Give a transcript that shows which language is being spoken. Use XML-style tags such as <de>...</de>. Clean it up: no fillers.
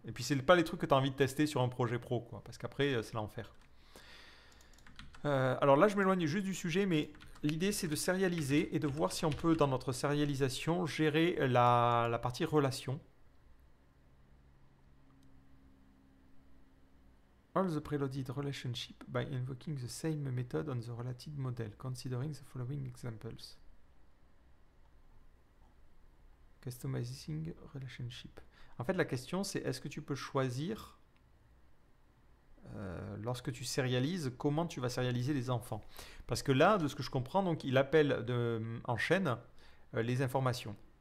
<fr>Et puis c'est pas les trucs que t'as envie de tester sur un projet pro quoi, parce qu'après c'est l'enfer. Alors là, je m'éloigne juste du sujet, mais l'idée c'est de sérialiser et de voir si on peut, dans notre sérialisation, gérer la partie relation.</fr> <en>All the preloaded relationship by invoking the same method on the related model, considering the following examples. Customizing relationship.</en> <fr>En fait, la question c'est est-ce que tu peux choisir. Lorsque tu sérialises, comment tu vas sérialiser les enfants? Parce que là, de ce que je comprends, donc il appelle en chaîne les informations.</fr>